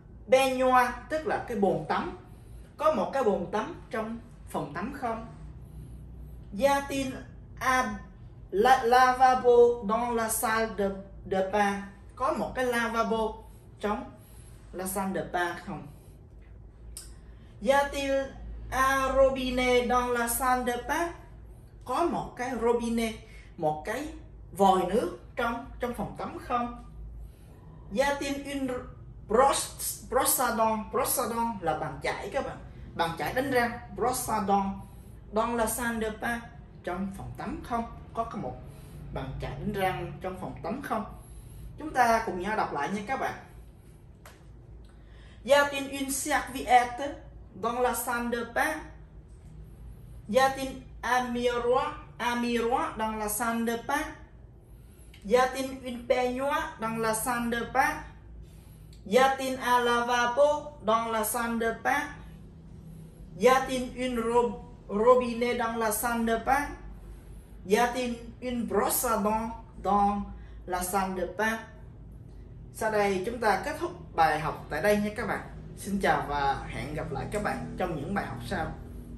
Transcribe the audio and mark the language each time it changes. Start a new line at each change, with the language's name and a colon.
Vietnamese: Peignoir tức là cái bồn tắm. Có một cái bồn tắm trong phòng tắm không?
French: Y a-t-il un lavabo dans la salle de bain?
Vietnamese: Có một cái lavabo trong
French: la salle de bain
Vietnamese: không?
French: Y a-t-il un robinet dans la salle de bain?
Vietnamese: Có một cái robinet, một cái vòi nước trong trong phòng tắm không?
French: Y a-t-il une brosse à dents
Vietnamese: là bàn chải các bạn, bàn chải đánh răng.
French: Brosse à dents dans la salle de bain,
Vietnamese: trong phòng tắm không? Có một bàn chải đánh răng trong phòng tắm không? Chúng ta cùng nhau đọc lại nha các bạn.
French: Y a-t-il une serviette dans la salle de bain? Y a-t-il un miroir dans la salle de bain? Y a-t-il une peignoir dans la salle de bain? Y a-t-il un lavabo dans la salle de bain? Y a-t-il une robinet dans la salle de bain? Y a-t-il une brosse à dents dans la salle de bain?
Vietnamese: Sau đây chúng ta kết thúc bài học tại đây nha các bạn. Xin chào và hẹn gặp lại các bạn trong những bài học sau.